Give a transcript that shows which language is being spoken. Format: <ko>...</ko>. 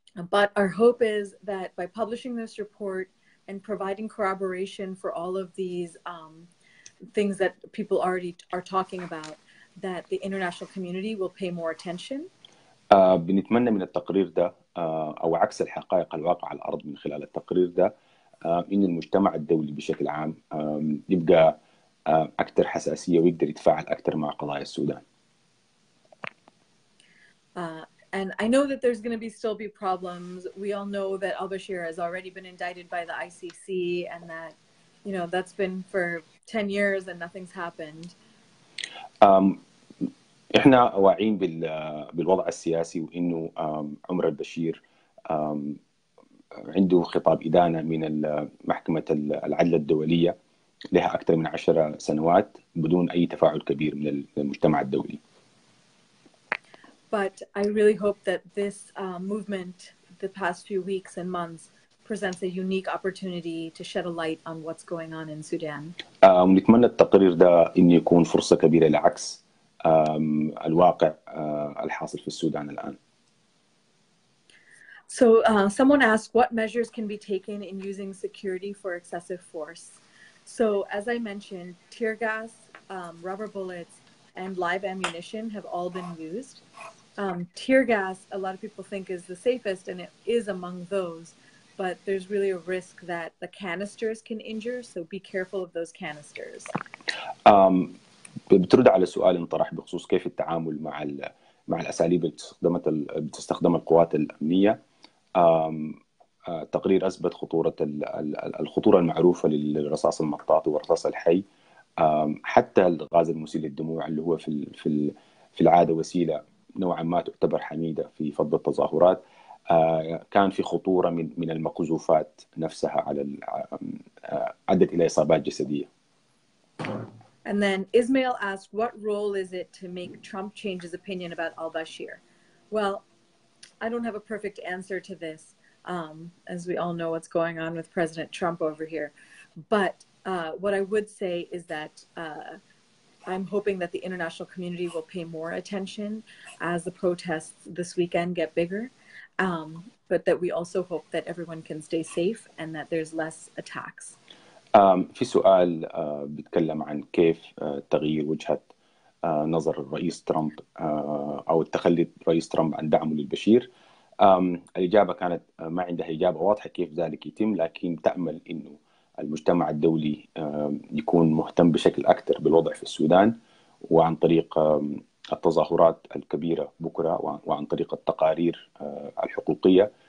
<en>But our hope is that by publishing this report and providing corroboration for all of these things that people already are talking about, that the international community will pay more attention.</en> <ar>بنتمنى من التقرير ده أو عكس الحقائق الواقع على الأرض من خلال التقرير ده إن المجتمع الدولي بشكل عام يبقى أكثر حساسية ويقدر يتفاعل أكثر مع قضايا السودان.</ar> <en>And I know that there's going to still be problems. We all know that al-Bashir has already been indicted by the ICC and that, you know, that's been for 10 years and nothing's happened.</en> <ar>احنا واعيين بالوضع السياسي وانه عمر البشير عنده خطاب إدانة من محكمة العدل الدولية لها أكثر من 10 سنوات بدون أي تفاعل كبير من المجتمع الدولي.</ar> <en>But I really hope that this movement the past few weeks and months presents a unique opportunity to shed a light on what's going on in Sudan.</en> <ar>ونتمنى التقرير ده إن يكون فرصة كبيرة لعكس الواقع الحاصل في السودان الآن.</ar> <en>So someone asked, what measures can be taken in using security for excessive force? So as I mentioned, tear gas, rubber bullets, and live ammunition have all been used. Tear gas, a lot of people think is the safest, and it is among those, but there's really a risk that the canisters can injure, so be careful of those canisters.</en> <ar>بترد على سؤال انطرح بخصوص كيف التعامل مع الأساليب اللي بتستخدم القوات الأمنية. تقرير أثبت خطورة الخطورة المعروفة للرصاص المطاطي والرصاص الحي حتى الغاز المسيل للدموع اللي هو في العادة وسيلة نوعا ما تعتبر حميدة في فض التظاهرات كان في خطورة من المقذوفات نفسها على أدت إلى إصابات جسدية.</ar> <en>And then Ismail asked, what role is it to make Trump change his opinion about al-Bashir? Well, I don't have a perfect answer to this, as we all know what's going on with President Trump over here. But what I would say is that I'm hoping that the international community will pay more attention as the protests this weekend get bigger, but that we also hope that everyone can stay safe and that there's less attacks.</en> <ar>في سؤال بيتكلم عن كيف تغيير وجهة نظر الرئيس ترامب أو التخلي الرئيس ترامب عن دعمه للبشير. الإجابة كانت ما عندها إجابة واضحة كيف ذلك يتم، لكن تأمل إنه المجتمع الدولي يكون مهتم بشكل أكثر بالوضع في السودان وعن طريق التظاهرات الكبيرة بكرة وعن طريق التقارير الحقوقية.</ar>